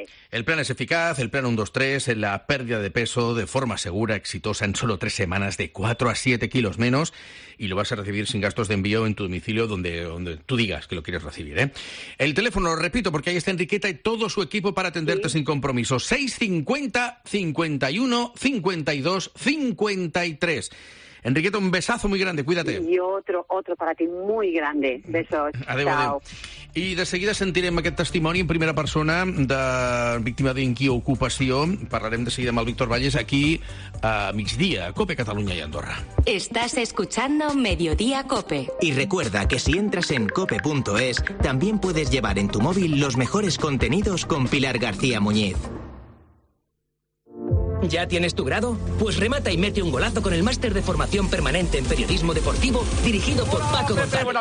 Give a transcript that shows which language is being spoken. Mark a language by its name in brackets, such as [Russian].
[Spanish] El plan es eficaz, el plan 1-2-3, en la pérdida de peso de forma segura, exitosa, en solo 3 semanas de 4 a 7 kilos menos, y lo vas a recibir sin gastos de envío en tu domicilio donde tú digas que lo quieres recibir, ¿eh? El teléfono, lo repito, porque ahí está Enriqueta y todo su equipo para atenderte, ¿sí?, sin compromiso. 650-51-52-53. Enriqueta, un besazo muy grande, cuídate. Y otro para ti muy grande. Besos. [Catalan] Adéu, [Spanish] chao. [Catalan] Adéu. I de seguida sentirem aquest testimoni en primera persona de víctima d'inquiocupació. Parlarem de seguida amb el Víctor Valles aquí a migdia, a COPE Catalunya i Andorra. [Spanish] Estás escuchando Mediodía COPE. Y recuerda que si entras en cope.es, también puedes llevar en tu móvil los mejores contenidos con Pilar García Muñiz. ¿Ya tienes tu grado? Pues remata y mete un golazo con el máster de formación permanente en periodismo deportivo dirigido por Paco González.